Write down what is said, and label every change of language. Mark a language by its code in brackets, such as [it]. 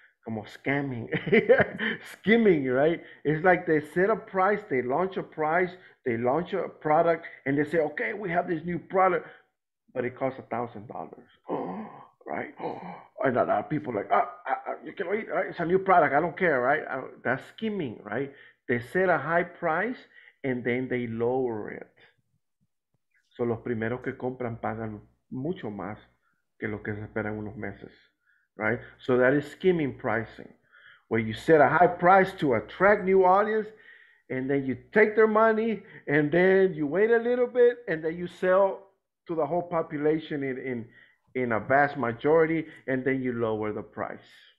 [en] Como scamming, skimming, right? It's like they set a price, they launch a price, they launch a product, and they say, okay, we have this new product, but it costs $1,000, right? And a lot of people are like, you can wait, right? It's a new product, I don't care, right? That's skimming, right? They set a high price, and then they lower it. [es] So los primeros que compran pagan mucho más que lo que se esperan unos meses. [en] Right, so that is skimming pricing, where you set a high price to attract new audience, and then you take their money, and then you wait a little bit, and then you sell to the whole population in a vast majority, and then you lower the price.